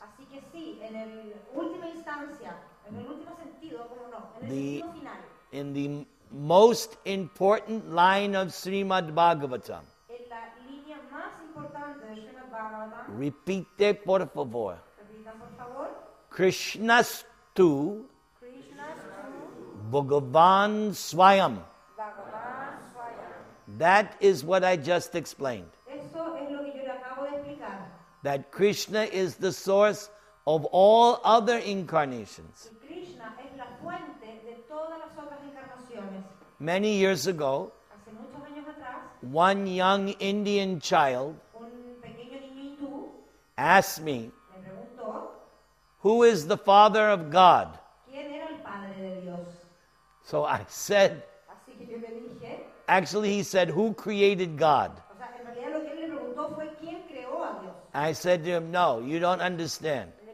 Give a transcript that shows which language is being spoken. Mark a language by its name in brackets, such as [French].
[Spanish] Así que sí, en el última instancia, en el último sentido, como no, en el sentido final. [English] In the most important line of Srimad Bhagavatam. [Spanish] En la línea más importante de Srimad Bhagavatam. Repite, por favor. Repita, por favor. [Sanskrit] Krishnastu. Krishnastu. Bhagavan Swayam. Bhagavan Swayam. [English] That is what I just explained. [Spanish] Eso es lo que yo le acabo de explicar. [English] That Krishna is the source of all other incarnations. [Spanish] Krishna es la fuente de todas las otras incarnaciones. [English] Many years ago, [Spanish] hace muchos años atrás, [English] one young Indian child, [Spanish] un pequeño niño hindú, [English] asked me, [Spanish] me preguntó, [English] who is the father of God? [Spanish] ¿Quién era el padre de Dios? [English] So I said, [Spanish] así que yo le dije, [English] actually he said, who created God? [Spanish] O sea, en realidad lo que él le preguntó fue, ¿quién creó a Dios? [English] I said to him, no, you don't understand.